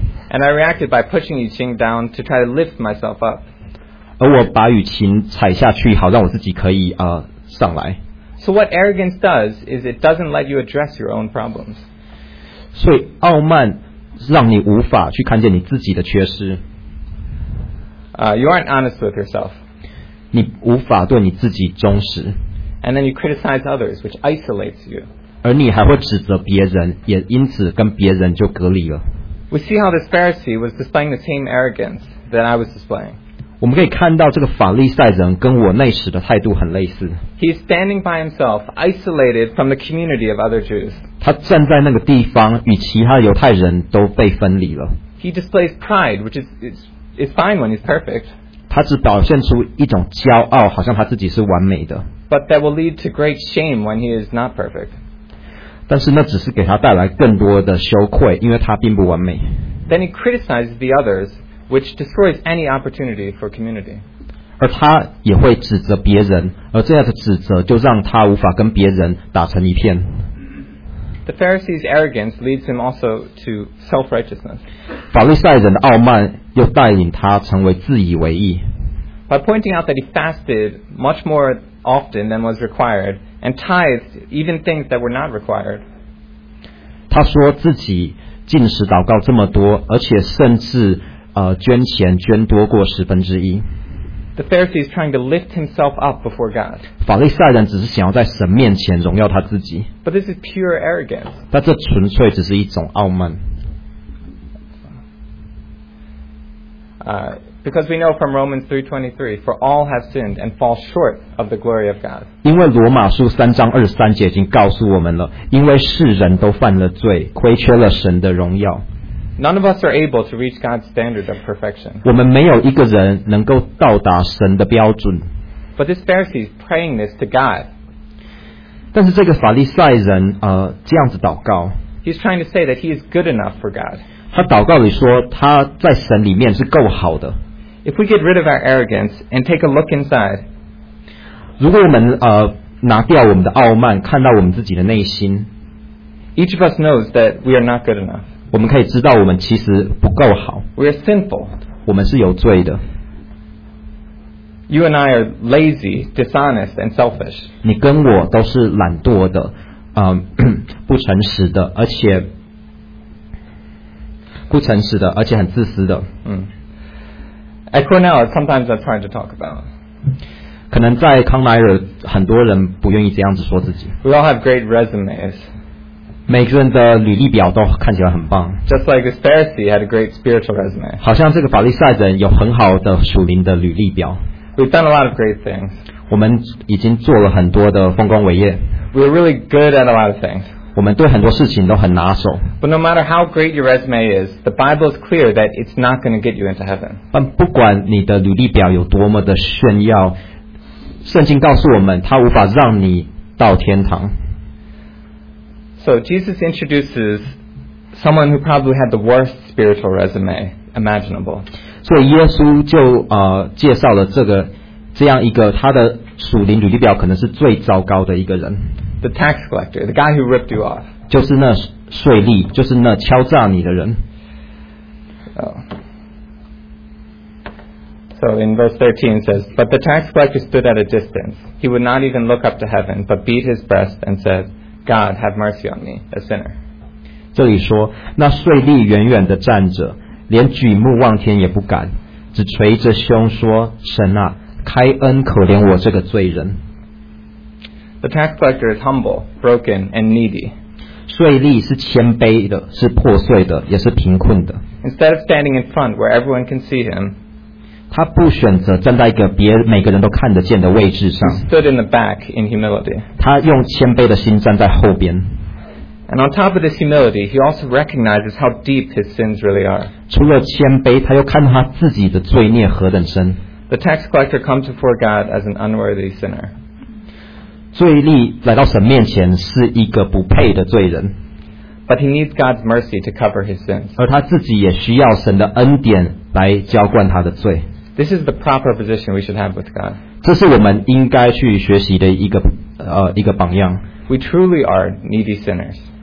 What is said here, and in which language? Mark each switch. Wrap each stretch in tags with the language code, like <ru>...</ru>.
<en>And I reacted by pushing Yuqing down to try to lift myself up.</en> <zh>而我把雨晴踩下去，好让我自己可以上来。</zh> <en>So what arrogance does is it doesn't let you address your own problems.</en> <zh>所以傲慢让你无法去看见你自己的缺失。</zh> <en>You aren't honest with yourself.</en> <zh>你无法对你自己忠实。</zh> <en>And then you criticize others, which isolates you.</en> <zh>而你还会指责别人，也因此跟别人就隔离了。</zh> <en>We see how this Pharisee was displaying the same arrogance that I was displaying.</en> <zh>我们可以看到这个法利赛人跟我那时的态度很类似。</zh> <en>He is standing by himself, isolated from the community of other Jews.</en> <zh>他站在那个地方，与其他犹太人都被分离了。</zh> <en>He displays pride, which is fine when he's perfect.</en> <zh>他只表现出一种骄傲，好像他自己是完美的。</zh> <en>But that will lead to great shame when he is not perfect.</en> <zh>但是那只是给他带来更多的羞愧，因为他并不完美。</zh> <en>Then he criticizes the others, which destroys any opportunity for community.</en> <zh>而他也会指责别人，而这样的指责就让他无法跟别人打成一片。</zh> <en>The Pharisee's arrogance leads him also to self-righteousness.</en> <zh>法利赛人的傲慢又带领他成为自以为意。</zh> <en>By pointing out that he fasted much more often than was required, and tithed even things that were not required.</en> <zh>他说自己禁食祷告这么多，而且甚至捐钱捐多过十分之一。</zh> <en>The Pharisee is trying to lift himself up before God.</en> <zh>法利赛人只是想要在神面前荣耀他自己。</zh> <en>But this is pure arrogance.</en> <zh>但这纯粹只是一种傲慢。</zh> <en>Because we know from Romans 3:23, for all have sinned and fall short of the glory of God.</en> <zh>因为罗马书三章二十三节已经告诉我们了，因为世人都犯了罪，亏缺了神的荣耀。</zh> <en>None of us are able to reach God's standard of perfection.</en> <zh>我们没有一个人能够到达神的标准。</zh> <en>But this Pharisee is praying this to God.</en> <zh>但是这个法利赛人这样子祷告。</zh> <en>He's trying to say that he is good enough for God.</en> <zh>他祷告里说他在神里面是够好的。</zh> <en>If we get rid of our arrogance and take a look inside,</en> <zh>如果我们拿掉我们的傲慢，看到我们自己的内心，</zh> <en>each of us knows that we are not good enough.</en> <zh>我们可以知道我们其实不够好。</zh> <en>We are sinful.</en> <zh>我们是有罪的。</zh> <en>You and I are lazy, dishonest, and selfish.</en> <zh>你跟我都是懒惰的，不诚实的，而且不诚实的，而且很自私的。</zh> <en>At Cornell, sometimes that's hard to talk about.</en> <zh>可能在康奈尔，很多人不愿意这样子说自己。</zh> <en>We all have great resumes.</en> <zh>每个人的履历表都看起来很棒。</zh> <en>Just like this Pharisee had a great spiritual resume.</en> <zh>好像这个法利赛人有很好的属灵的履历表。</zh> <en>We've done a lot of great things.</en> <zh>我们已经做了很多的丰功伟业。</zh> <en>We're really good at a lot of things.</en> <zh>我们对很多事情都很拿手。</zh> <en>But no matter how great your resume is, the Bible is clear that it's not going to get you into heaven.</en> <zh>但不管你的履历表有多么的炫耀，圣经告诉我们，它无法让你到天堂。</zh> <en>So Jesus introduces someone who probably had the worst spiritual resume imaginable.</en> <zh>所以耶稣就介绍了这样一个他的属灵履历表可能是最糟糕的一个人。</zh> <en>The tax collector, the guy who ripped you off.</en> <zh>就是那税吏，就是那敲诈你的人。</zh> <en>So in verse 13 says, But the tax collector stood at a distance. He would not even look up to heaven, but beat his breast and said, God, have mercy on me, a sinner.</en> <zh>这里说，那税吏远远地站着，连举目望天也不敢，只垂着胸说，神啊，开恩可怜我这个罪人。</zh> <en>The tax collector is humble, broken, and needy.</en> <zh>税吏是谦卑的，是破碎的，也是贫困的。</zh> <en>Instead of standing in front where everyone can see him,</en> <zh>他不选择站在一个别每个人都看得见的位置上。</zh> <en>Stood in the back in humility.</en> <zh>他用谦卑的心站在后边。</zh> <en>And on top of this humility, he also recognizes how deep his sins really are.</en> <zh>除了谦卑，他又看到他自己的罪孽何等深。</zh> <en>The tax collector comes before God as an unworthy sinner.</en> <zh>罪吏来到神面前是一个不配的罪人。</zh> <en>But he needs God's mercy to cover his sins.</en> <zh>而他自己也需要神的恩典来浇灌他的罪。</zh> <en>This is the proper position we should have with God.</en> <zh>这是我们应该去学习的一个榜样。</zh> <en>We truly are needy sinners.</en>